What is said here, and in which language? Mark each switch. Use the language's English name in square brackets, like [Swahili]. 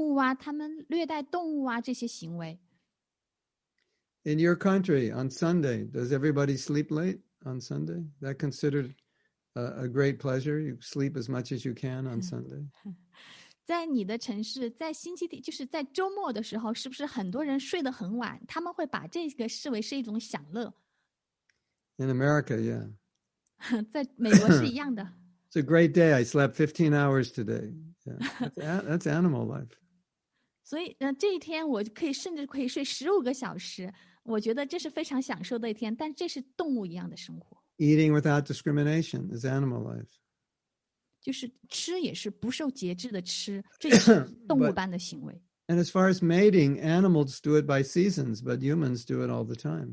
[English] They eat the food, they eat like animals, they fight like animals. In your country, on Sunday, does everybody sleep late on Sunday? That considered a great pleasure? You sleep as much as you can on Sunday? [Chinese] 在你的城市，在星期天，就是在周末的时候，是不是很多人睡得很晚？他们会把这个视为是一种享乐。 [English] In America, yeah. [Chinese] 在美国是一样的。 [English] It's a great day. I slept 15 hours today. Yeah. That's animal life. [Chinese] 所以这一天我可以甚至可以睡15个小时，我觉得这是非常享受的一天，但这是动物一样的生活。 [English] Eating without discrimination is animal life. [Chinese] 就是吃也是不受节制的吃，这也是动物般的行为。 [English] And as far as mating, animals do it by seasons, but humans do it all the time.